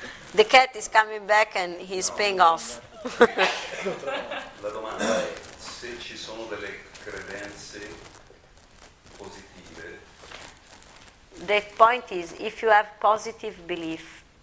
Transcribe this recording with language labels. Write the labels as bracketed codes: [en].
[en] The cat is coming back and he's paying off. [it] La domanda è se ci sono delle credenze positive. [en] The point is if you have positive belief.